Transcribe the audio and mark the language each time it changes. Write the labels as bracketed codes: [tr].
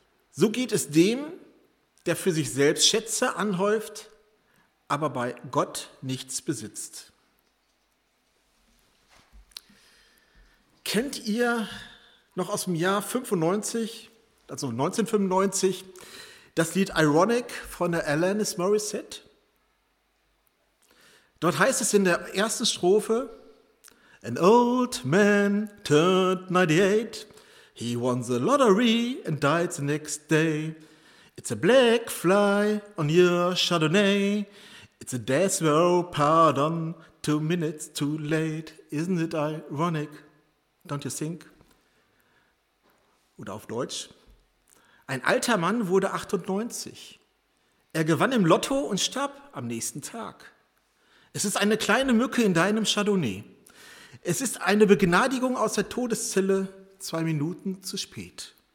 [de] So geht es dem, der für sich selbst Schätze anhäuft, aber bei Gott nichts besitzt. Kennt ihr noch aus dem Jahr 1995, das Lied Ironic von der Alanis Morissette? Dort heißt es in der ersten Strophe: [en] An old man turned 98, he won the lottery and died the next day. It's a black fly on your Chardonnay, it's a death row, pardon, 2 minutes too late. Isn't it ironic, don't you think? [de] Oder auf Deutsch: Ein alter Mann wurde 98. Er gewann im Lotto und starb am nächsten Tag. Es ist eine kleine Mücke in deinem Chardonnay. Es ist eine Begnadigung aus der Todeszelle, 2 Minuten zu spät.